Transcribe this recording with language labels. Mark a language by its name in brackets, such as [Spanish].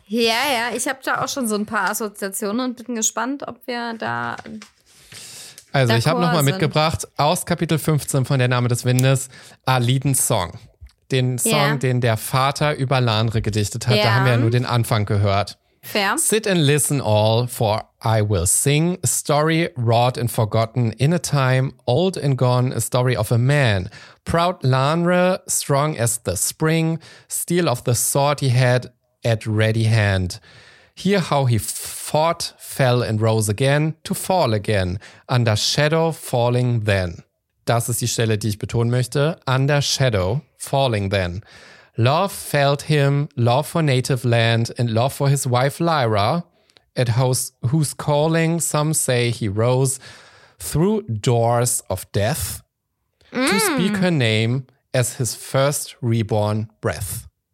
[German] Ja, ja, ich habe da auch schon so ein paar Assoziationen und bin gespannt, ob wir da... Also ich habe nochmal mitgebracht, aus Kapitel 15 von Der Name des Windes, Alidens Song. Den Song, den der Vater über Lanre gedichtet hat. Da haben wir ja nur den Anfang gehört. Fair. [English] Sit and listen all, for I will sing. A story wrought and forgotten in a time old and gone. A story of a man. Proud Lanre, strong as the spring. Steel of the sword he had at ready hand. Hear how he fought, fell and rose again, to fall again, under shadow falling then. [German] Das ist die Stelle, die ich betonen möchte. [English] Under shadow falling then. Love failed him, love for native land and love for his wife Lyra, at whose calling some say he rose through doors of death to speak her name as his first reborn breath.